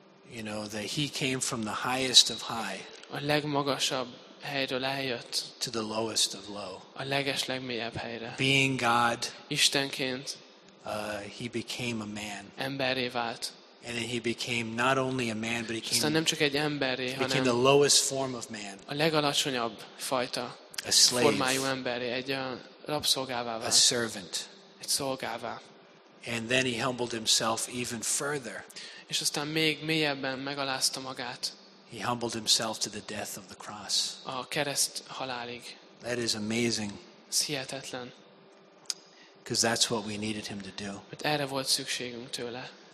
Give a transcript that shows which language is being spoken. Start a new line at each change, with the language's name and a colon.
English: You know, that he came from the highest of high.
Hungarian: A legmagasabb helyről eljött.
English: To the lowest of low.
Hungarian: A leges, legmélyebb helyre.
English: Being God.
Hungarian: Istenként.
English: He became a man.
Hungarian: Emberré vált.
English: And then he became not only a man, but he became the lowest form of man.
Hungarian: A legalacsonyabb fajta.
English: A slave.
Hungarian: Formájú emberré, egy rabszolgává vált.
English: A servant.
Hungarian: Egy szolgává.
English: And then he humbled himself even further.
Hungarian: És aztán még mélyebben megalázta magát.
English: He humbled himself to the death of the cross.
Hungarian: A kereszt halálig.
English: That is amazing.
Hungarian: Hihetetlen.
English: Because that's what we needed him to do.
Hungarian: Mert erre volt szükségünk tőle.